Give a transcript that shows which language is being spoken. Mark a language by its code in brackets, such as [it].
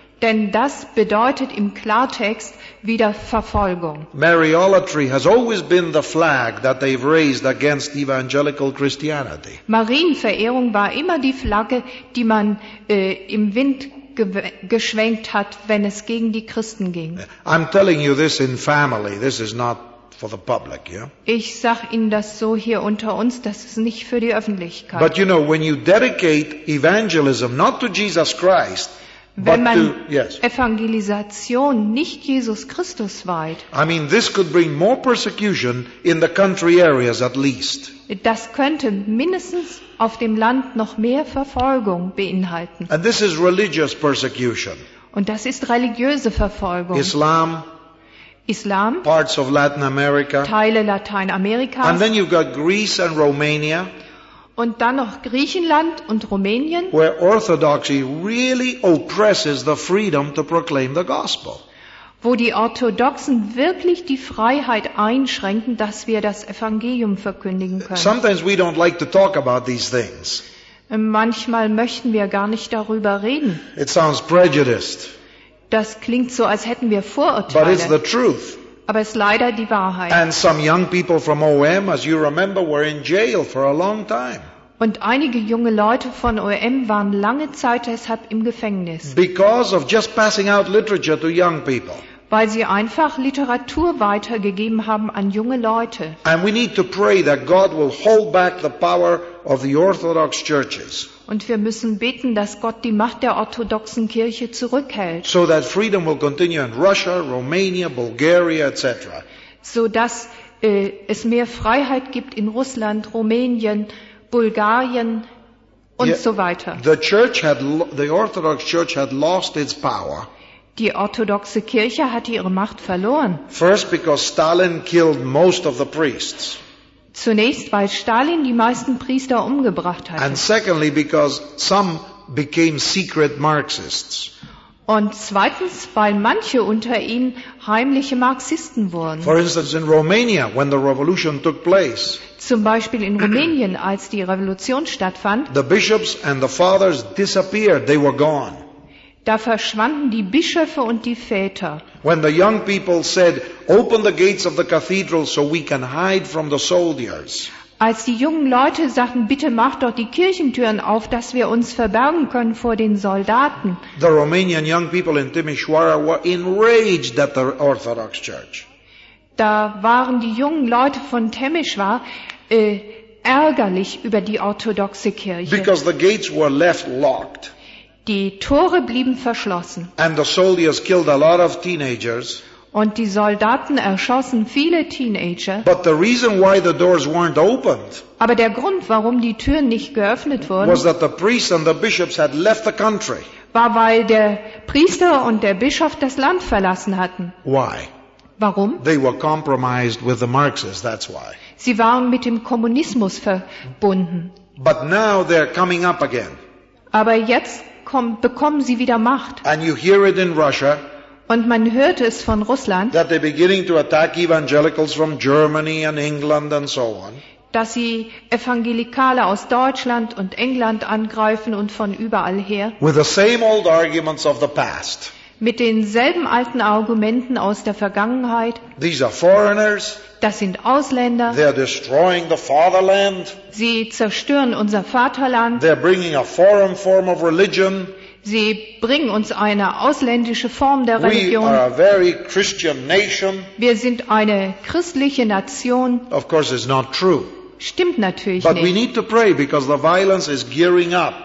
[de] Denn das bedeutet im Klartext wieder Verfolgung. [en] Mariolatry has always been the flag that they've raised against evangelical Christianity. [de] Marienverehrung war immer die Flagge, die man im Wind geschwenkt hat, wenn es gegen die Christen ging. [en] I'm telling you this in family. This is not for the public, yeah? [de] Ich sag Ihnen das so hier unter uns, das ist nicht für die Öffentlichkeit. [en] But you know, when you dedicate evangelism not to Jesus Christ, [de] wenn man [en] yes. [de] Evangelisation nicht Jesus Christus weiht. [en] I mean, this could bring more persecution in the country areas at least. [de] Das könnte mindestens auf dem Land noch mehr Verfolgung beinhalten. [en] And this is religious persecution. [de] Und das ist religiöse Verfolgung. [en] Islam, parts of Latin America, [de] Teile Lateinamerikas. [en] And then you've got Greece and Romania. [de] Und dann noch Griechenland und Rumänien, [en] where orthodoxy really oppresses the freedom to proclaim the gospel. [de] Wo die Orthodoxen wirklich die Freiheit einschränken, dass wir das Evangelium verkündigen können. [en] Sometimes we don't like to talk about these things. [de] Manchmal möchten wir gar nicht darüber reden. [en] It sounds prejudiced. [de] Das klingt so, als hätten wir Vorurteile. [en] But it's the truth. [de] Aber es ist leider die Wahrheit. [en] And some young people from OM, as you remember, were in jail for a long time. [de] Und einige junge Leute von OM waren lange Zeit deshalb im Gefängnis. [en] Because of just passing out literature to young people. [de] Weil sie einfach Literatur weitergegeben haben an junge Leute. [en] And we need to pray that God will hold back the power of the Orthodox churches. [de] Und wir müssen beten, dass Gott die Macht der orthodoxen Kirche zurückhält. [en] So that freedom will continue in Russia, Romania, Bulgaria, etc. [de] So dass es mehr Freiheit gibt in Russland, Rumänien, Bulgarien und so weiter. [en] The Orthodox Church had lost its power. [de] Die orthodoxe Kirche hatte ihre Macht verloren. [en] First because Stalin killed most of the priests. [de] Zunächst, weil Stalin die meisten Priester umgebracht hatte. [en] And secondly, because some became secret Marxists. [de] Und zweitens, weil manche unter ihnen heimliche Marxisten wurden. [en] For instance, in Romania, when the revolution took place, [de] zum Beispiel in Rumänien, als die Revolution stattfand, [en] the bishops and the fathers disappeared. They were gone. [de] Da verschwanden die Bischöfe und die Väter. [en] When the young people said, "Open the gates of the cathedral so we can hide from the soldiers." [de] Als die jungen Leute sagten, bitte macht doch die Kirchentüren auf, dass wir uns verbergen können vor den Soldaten. [en] The Romanian young people in Timișoara were enraged at the Orthodox Church. [de] Da waren die jungen Leute von Timișoara ärgerlich über die orthodoxe Kirche. [en] Because the gates were left locked. [de] Die Tore blieben verschlossen. [en] And the soldiers killed a lot of teenagers. [de] Und die Soldaten erschossen viele Teenager. [en] But the reason why the doors weren't opened, [de] aber der Grund, warum die Türen nicht geöffnet wurden, [en] was that the priests and the bishops had left the country. [de] War, weil der Priester und der Bischof das Land verlassen hatten. [en] Why? [de] Warum? [en] They were compromised with the Marxists, that's why. [de] Sie waren mit dem Kommunismus verbunden. [en] But now they're coming up again. [de] Aber jetzt bekommen sie wieder Macht. [en] And you hear it in Russia, [de] und man hört es von Russland, [en] that they're beginning to attack evangelicals from Germany and England and so on. [de] Dass sie Evangelikale aus Deutschland und England angreifen und von überall her. [en] With the same old arguments of the past. [de] Mit denselben alten Argumenten aus der Vergangenheit. [en] These are foreigners. [de] Das sind Ausländer. [en] They are destroying the fatherland. [de] Sie zerstören unser Vaterland. [en] They are bringing a foreign form of religion. [de] Sie bringen uns eine ausländische Form der Religion. [en] We are a very Christian nation. [de] Wir sind eine christliche Nation. [en] Of course it's not true. [de] Stimmt natürlich [en] but [de] nicht. [en] But we need to pray because the violence is gearing up.